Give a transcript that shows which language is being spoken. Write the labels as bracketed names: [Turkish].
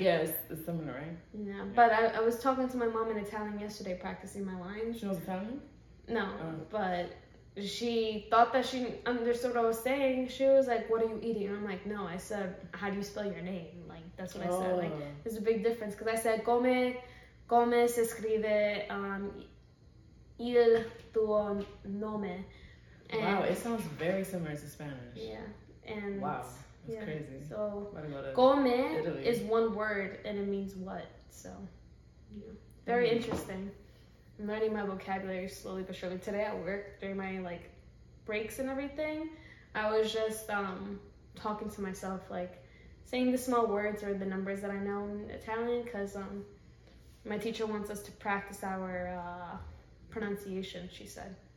[English] Yeah, it's similar, right? Yeah, yeah. But I was talking to my mom in Italian yesterday, practicing my lines. She knows Italian? No, but she thought that she understood what I was saying. She was like, what are you eating? And I'm like, no, I said, how do you spell your name? That's what I said. Like, there's a big difference. Because I said, [Italian] come se scrive il tuo nome. [English] And, wow, it sounds very similar to Spanish. Yeah. And wow, that's crazy. So, come is one word, and it means what. So, yeah. Very interesting. I'm learning my vocabulary slowly but surely. Today at work, during my, like, breaks and everything, I was just talking to myself, like, saying the small words or the numbers that I know in Italian, because my teacher wants us to practice our pronunciation, she said.